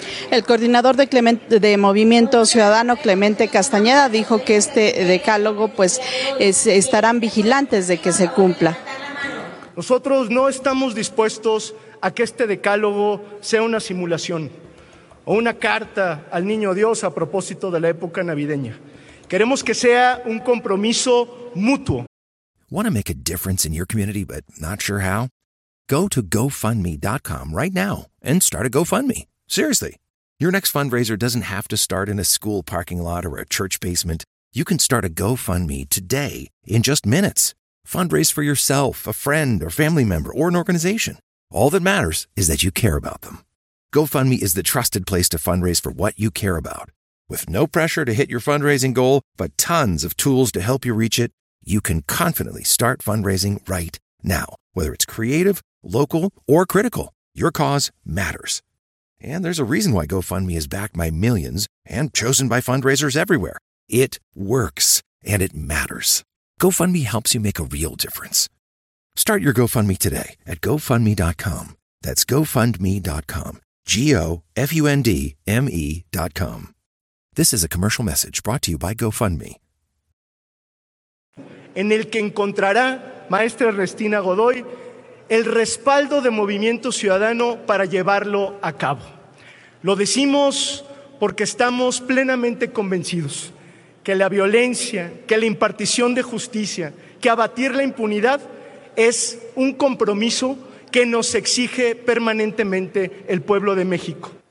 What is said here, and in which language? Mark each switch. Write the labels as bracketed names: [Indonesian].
[Spanish] El coordinador de Movimiento Ciudadano, Clemente Castañeda, dijo que este decálogo, pues, estarán vigilantes de que se cumpla. Nosotros no estamos dispuestos a que este decálogo sea una simulación o una carta al Niño Dios a propósito de la época navideña. Queremos que sea un compromiso mutuo. [English] Want to make a difference in your community but not sure how? Go to GoFundMe.com right now and start a GoFundMe. Seriously, your next fundraiser doesn't have to start in a school parking lot or a church basement. You can start a GoFundMe today in just minutes. Fundraise for yourself, a friend, or family member, or an organization. All that matters is that you care about them. GoFundMe is the trusted place to fundraise for what you care about. With no pressure to hit your fundraising goal, but tons of tools to help you reach it, you can confidently start fundraising right now. Whether it's creative, local, or critical, your cause matters. And there's a reason why GoFundMe is backed by millions and chosen by fundraisers everywhere. It works, and it matters. GoFundMe helps you make a real difference. Start your GoFundMe today at GoFundMe.com. That's GoFundMe.com. GoFundMe.com. This is a commercial message brought to you by GoFundMe. [Spanish] En el que encontrará, maestra Ernestina Godoy, el respaldo de Movimiento Ciudadano para llevarlo a cabo. Lo decimos porque estamos plenamente convencidos que la violencia, que la impartición de justicia, que abatir la impunidad es un compromiso que nos exige permanentemente el pueblo de México.